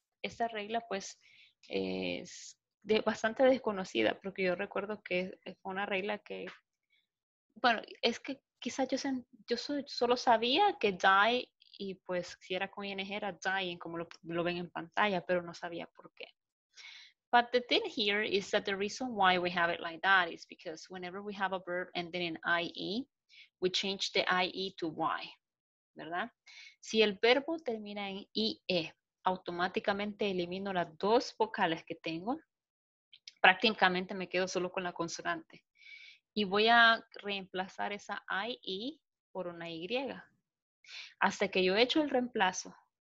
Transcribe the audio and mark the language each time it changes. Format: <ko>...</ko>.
<es>Esta regla, pues, es bastante desconocida, porque yo recuerdo que fue una regla que, bueno, es que quizás yo solo sabía que die, y pues si era con ING era dying, como lo ven en pantalla, pero no sabía por qué.</es> <en>But the thing here is that the reason why we have it like that is because whenever we have a verb ending in IE, we change the IE to Y,</en> <es>¿verdad? Si el verbo termina en IE, automáticamente elimino las dos vocales que tengo. Prácticamente me quedo solo con la consonante. Y voy a reemplazar esa IE por una Y. Hasta que yo he hecho el reemplazo,</es>